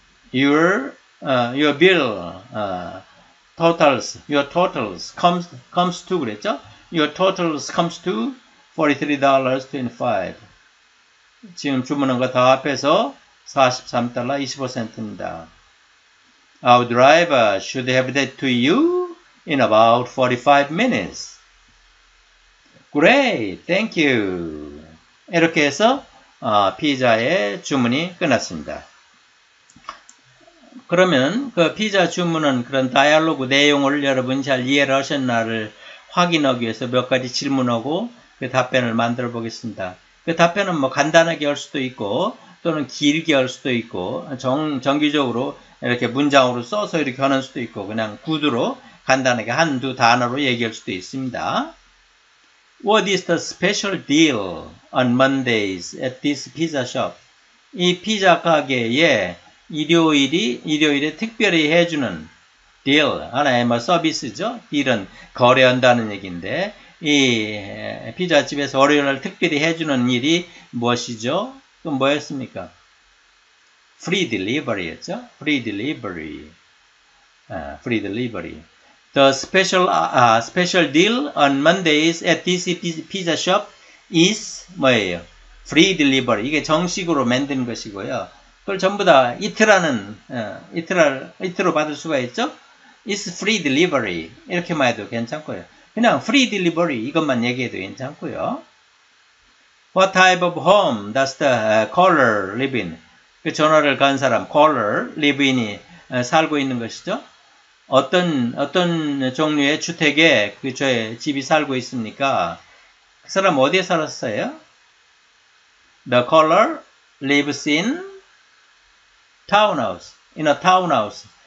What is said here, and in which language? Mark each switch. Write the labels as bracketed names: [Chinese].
[English] Your bill, totals, your totals comes to, [Korean] 그랬죠? [English] Your totals comes to $43.25. [Korean] 지금 주문한 거다 합해서 43달러 25센트입니다. [English] Our driver should have that to you in about 45 minutes. Great, thank you. [Korean] 이렇게 해서, 피자의 주문이 끝났습니다. 그러면 그 피자 주문은 그런 다이얼로그 내용을 여러분 잘 이해를 하셨나를 확인하기 위해서 몇 가지 질문하고 그 답변을 만들어 보겠습니다. 그 답변은 뭐 간단하게 할 수도 있고 또는 길게 할 수도 있고 정기적으로 이렇게 문장으로 써서 이렇게 하는 수도 있고 그냥 구두로 간단하게 한두 단어로 얘기할 수도 있습니다. [English] What is the special deal on Mondays at this pizza shop? [Korean] 이 피자 가게에 일요일에 특별히 해주는 deal 하나의 뭐 서비스죠. deal은 거래한다는 얘기인데 이 피자집에서 월요일날 특별히 해주는 일이 무엇이죠? 그럼 뭐였습니까? [English] free delivery [Korean] 였죠. [English] free delivery. 아, free delivery. The special special deal on Mondays at this pizza shop is [Korean] 뭐예요? [English] free delivery. [Korean] 이게 정식으로 만든 것이고요. 그걸 전부 다 이트라는 이트로 받을 수가 있죠. [English] It's free delivery [Korean] 이렇게만 해도 괜찮고요. 그냥 free delivery 이것만 얘기해도 괜찮고요. [English] What type of home does the caller live in? [Korean] 그 전화를 건 사람 caller live in이 살고 있는 것이죠. 어떤 종류의 주택에 그 저의 집이 살고 있습니까? 그 사람 어디에 살았어요? [English] The caller lives in townhouse. In a townhouse.